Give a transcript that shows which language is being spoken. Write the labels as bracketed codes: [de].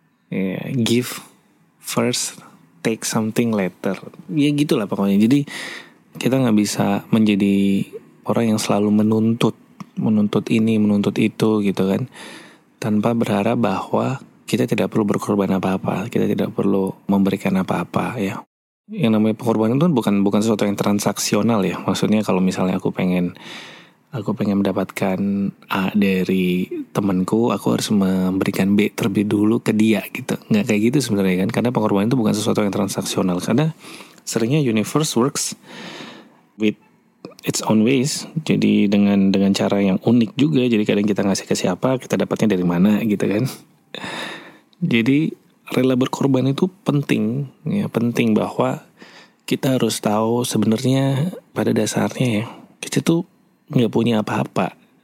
[en] Yeah, give first, take something later. [id] Ya gitulah pokoknya. Jadi kita gak bisa menjadi orang yang selalu menuntut, menuntut ini, menuntut itu gitu kan, tanpa berharap bahwa kita tidak perlu berkorban apa-apa, kita tidak perlu memberikan apa-apa, ya. Yang namanya pengorbanan itu bukan sesuatu yang transaksional, ya. Maksudnya kalau misalnya aku pengen mendapatkan A dari temanku, aku harus memberikan B terlebih dulu ke dia gitu. Enggak kayak gitu sebenarnya kan, karena pengorbanan itu bukan sesuatu yang transaksional. Karena seringnya [en] universe works with its own ways. [id] Jadi dengan cara yang unik juga. Jadi kadang kita ngasih ke siapa, kita dapatnya dari mana gitu kan. Jadi rela berkorban itu penting, ya, penting bahwa kita harus tahu sebenarnya pada dasarnya, ya, kita tuh nggak punya apa-apa.